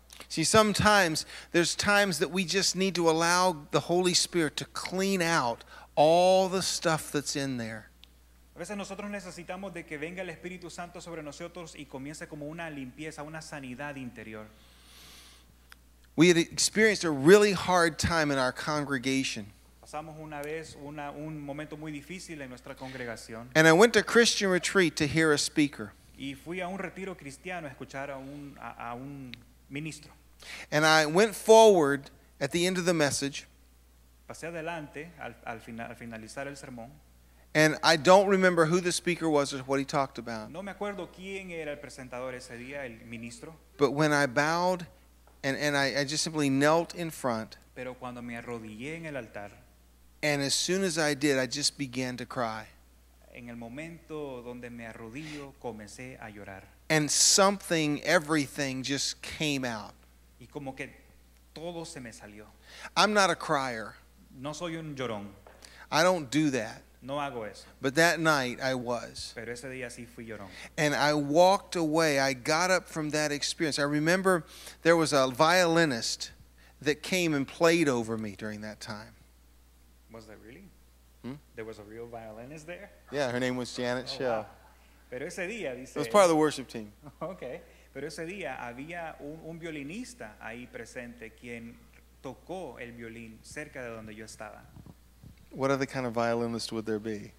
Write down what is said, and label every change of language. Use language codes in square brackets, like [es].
[en] See, sometimes there's times that we just need to allow the Holy Spirit to clean out all the stuff that's in there. [es] A veces nosotros necesitamos de que venga el Espíritu Santo sobre nosotros y comience como una limpieza, una sanidad interior. [en] We had experienced a really hard time in our congregation. [es] Pasamos una vez un momento muy difícil en nuestra congregación. [en] And I went to Christian retreat to hear a speaker. [es] Y fui a un retiro cristiano a escuchar a un ministro. [en] And I went forward at the end of the message. [es] Pasé adelante al finalizar el sermón. [en] And I don't remember who the speaker was or what he talked about. [es] No me acuerdo quién era el presentador ese día, el ministro. [en] But when I bowed and I just simply knelt in front. [es] Pero cuando me arrodillé en el altar. [en] And as soon as I did, I just began to cry. [es] En el momento donde me arrodillo, comencé a llorar. [en] And something, everything just came out. [es] Y como que todo se me salió. [en] I'm not a crier. [es] No soy un llorón. [en] I don't do that. [es] No hago eso. [en] But that night I was. [es] Pero ese día sí fui llorón. [en] And I walked away. I got up from that experience. I remember there was a violinist that came and played over me during that time. Was that really? There was a real violinist there? Yeah, her name was Janet Shell. [es] Wow. Pero ese día, dice, [en] it was part of the worship team. Okay. [es] Pero ese día había un violinista ahí presente quien tocó el violín cerca de donde yo estaba. [en] What other kind of violinist would there be?